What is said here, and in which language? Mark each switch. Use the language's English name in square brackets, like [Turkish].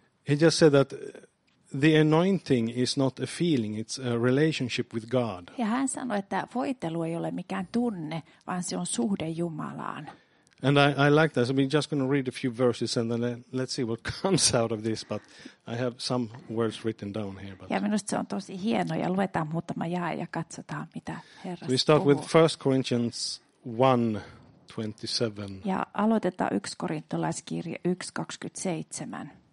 [English] He just said that the anointing is not a feeling, it's a relationship with God. [Finnish] Ja hän sanoi, että voitelu ei ole mikään tunne, vaan se on suhde Jumalaan. [English] And I like that. So we're just going to read a few verses and then let's see what comes out of this, but I have some words written down here. [Finnish] Ja minusta se on tosi hieno, ja luetaan muutama jae ja katsotaan, mitä Herra [English] puhuu. We start with 1 Corinthians 1:27. [Finnish] Ja aloitetaan 1 Korintolaiskirje 1:27.